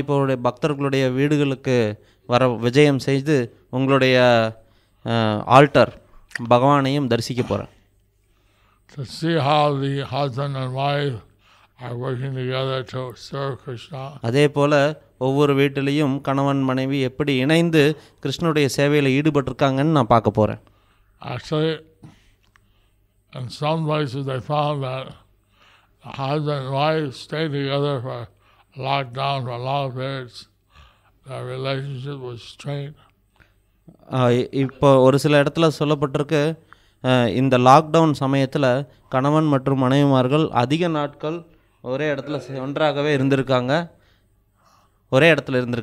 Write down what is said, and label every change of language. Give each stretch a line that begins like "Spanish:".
Tamil: இப்போ பக்தர்களுடைய வீடுகளுக்கு வர விஜயம் செய்து உங்களுடைய ஆல்டர் பகவானையும் தரிசிக்க போகிறேன்.
English: to see how the husband and wife are working together to serve Krishna.
Tamil: அதே போல ஒவ்வொரு வீட்டிலையும் கணவன் மனைவி எப்படி இணைந்து கிருஷ்ணருடைய சேவையில் ஈடுபட்டிருக்காங்கன்னு நான் பார்க்க போறேன்.
English: Actually, in some places they found that the husband and wife stay together for lockdown for long periods. Their relationship was strained.
Tamil: இப்போ ஒரு சில இடத்துல சொல்லப்பட்டிருக்கு இந்த லாக்டவுன் சமயத்தில் கணவன் மற்றும் மனைவிமார்கள் அதிக நாட்கள் ஒரே இடத்துல ஒன்றாகவே இருந்திருக்காங்க ஒரே இடத்துல